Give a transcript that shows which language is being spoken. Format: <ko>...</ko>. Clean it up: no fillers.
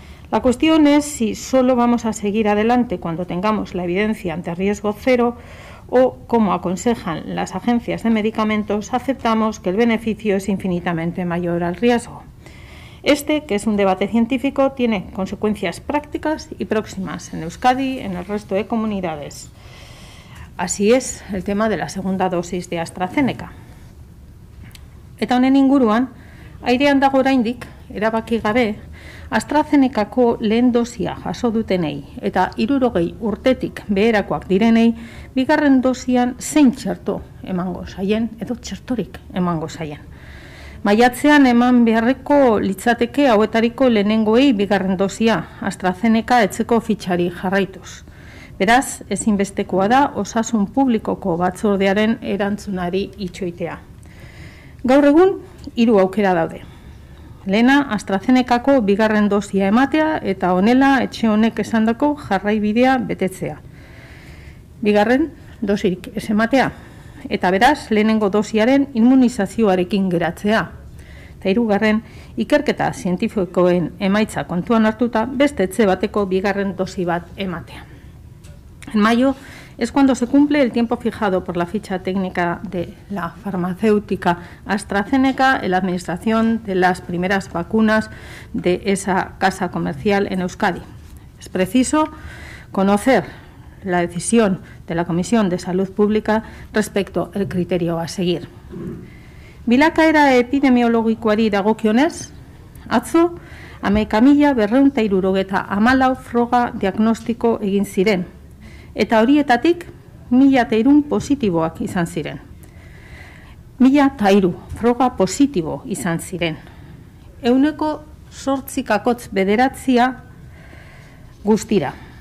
<es>La cuestión es si solo vamos a seguir adelante cuando tengamos la evidencia ante riesgo cero o, como aconsejan las agencias de medicamentos, aceptamos que el beneficio es infinitamente mayor al riesgo. Este, que es un debate científico, tiene consecuencias prácticas y próximas en Euskadi, en el resto de comunidades Así es el tema de la segunda dosis de AstraZeneca.</es> <eu>Eta honen inguruan, airean dago oraindik, erabaki gabe, AstraZenecako lehen dosia jaso dutenei eta 60 urtetik beherakoak direnei bigarren dosian zein txerto emango zaien edo txertorik emango zaien. Maiatzean eman beharreko litzateke hauetariko lehenengoei bigarren dosia AstraZeneca etzeko fitxari jarraituz. Beraz, ezinbestekoa da osasun publikoko batzordearen erantzunari itxoitea. Gaur egun, hiru aukera daude. Lehena, AstraZenecako bigarren dosia ematea eta honela etxe honek esandako jarraibidea betetzea. Bigarren dosirik ez ematea eta beraz lehenengo dosiaren immunizazioarekin geratzea. Eta hirugarren, ikerketa zientifikoen emaitza kontuan hartuta beste etxe bateko bigarren dosi bat ematea.</eu> <es>En mayo es cuando se cumple el tiempo fijado por la ficha técnica de la farmacéutica AstraZeneca en la administración de las primeras vacunas de esa casa comercial en Euskadi. Es preciso conocer la decisión de la Comisión de Salud Pública respecto al criterio a seguir.</es> <eu>Bilakaera epidemiologikoari dagokionez, atzo 11.274 froga diagnostiko egin ziren. Eta horietatik, 1.300 positiboak izan ziren. 1.300 froga positibo izan ziren. 108.9% guztira.</eu>